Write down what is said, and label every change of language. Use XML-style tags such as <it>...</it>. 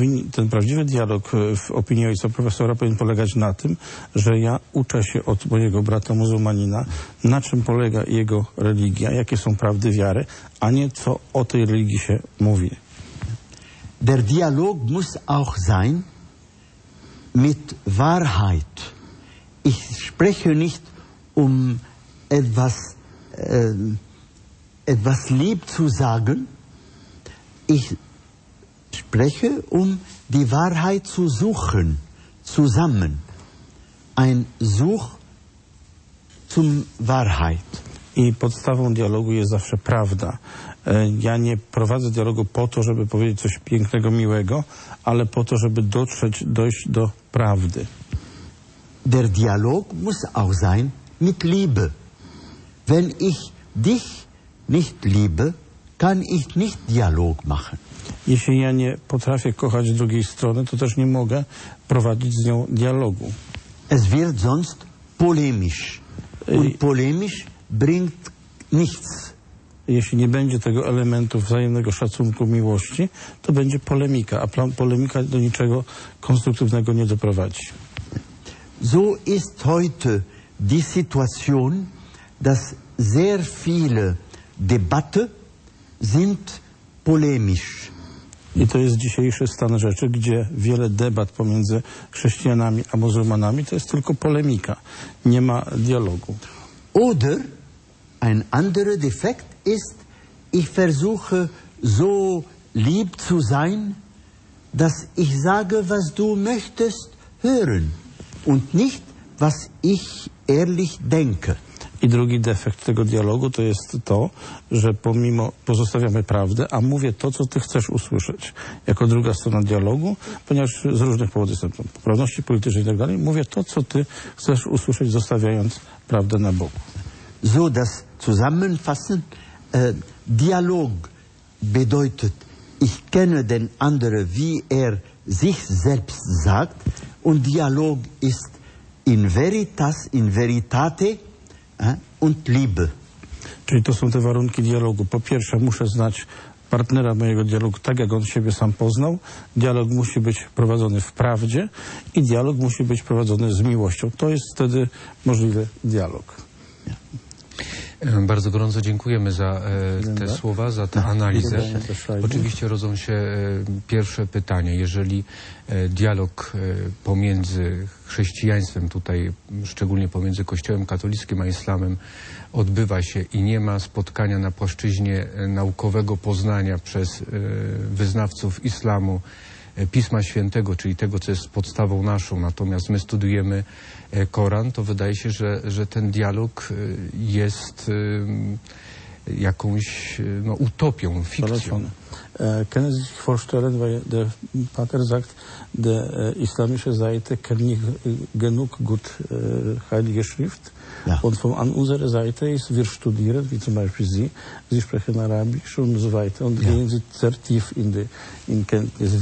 <pl>Ten prawdziwy dialog w opinii ojca profesora powinien polegać na tym, że ja uczę się od mojego brata muzułmanina, na czym polega jego religia, jakie są prawdy wiary, a nie co o tej religii się mówi.</pl> <de>Der Dialog muss auch sein mit Wahrheit. Ich spreche nicht um etwas lieb zu sagen. Ich spreche, um die Wahrheit zu suchen, zusammen. Ein Such zum Wahrheit.</de> <pl>I podstawą dialogu jest zawsze prawda. Ja nie prowadzę dialogu po to, żeby powiedzieć coś pięknego, miłego, ale po to, żeby dojść do prawdy.</pl> <de>Der Dialog muss auch sein mit Liebe. Wenn ich dich nicht liebe, kann ich nicht Dialog machen.</de> <pl>Jeśli ja nie potrafię kochać drugiej strony, to też nie mogę prowadzić z nią dialogu.</pl> <de>Es wird sonst polemisch. Und polemisch bringt nichts.</de> <pl>Jeśli nie będzie tego elementu wzajemnego szacunku, miłości, to będzie polemika, a polemika do niczego konstruktywnego nie doprowadzi.</pl> <de>So ist heute die Situation, dass sehr viele debatte sind polemisch.</de> <pl>I to jest dzisiejszy stan rzeczy, gdzie wiele debat pomiędzy chrześcijanami a muzułmanami to jest tylko polemika. Nie ma dialogu.</pl> <de>Oder ein anderer Defekt ist, ich versuche so lieb zu sein, dass ich sage, was du möchtest hören und nicht, was ich ehrlich denke.</de> <pl>I drugi defekt tego dialogu to jest to, że pomimo pozostawiamy prawdę, a mówię to, co ty chcesz usłyszeć. Jako druga strona dialogu, ponieważ z różnych powodów jestem poprawności politycznej i tak dalej, mówię to, co ty chcesz usłyszeć, zostawiając prawdę na boku.</pl> <de>So das zusammenfassen, Dialog bedeutet, ich kenne den anderen, wie sich selbst sagt, und Dialog ist</de> <la>in veritas, in veritate,</la> <de>und Liebe.</de> <pl>Czyli to są te warunki dialogu. Po pierwsze, muszę znać partnera mojego dialogu tak, jak on siebie sam poznał. Dialog musi być prowadzony w prawdzie i dialog musi być prowadzony z miłością. To jest wtedy możliwy dialog. Bardzo gorąco dziękujemy za te słowa, za tę analizę. Oczywiście rodzą się pierwsze pytania. Jeżeli dialog pomiędzy chrześcijaństwem tutaj, szczególnie pomiędzy Kościołem katolickim a islamem odbywa się i nie ma spotkania na płaszczyźnie naukowego poznania przez wyznawców islamu Pisma Świętego, czyli tego, co jest podstawą naszą, natomiast my studiujemy Koran, to wydaje się, że ten dialog jest jakąś utopią, fikcją.</pl> <de>Kenneth vorstellen, weil der Pater sagt, die islamische Seite kennt nicht genug gut Heilige Schrift. Ja. Und von unserer Seite ist, wir studieren, wie zum Beispiel Sie, Sie sprechen Arabisch und so weiter, und gehen Sie sehr tief in Kenntnis.</de>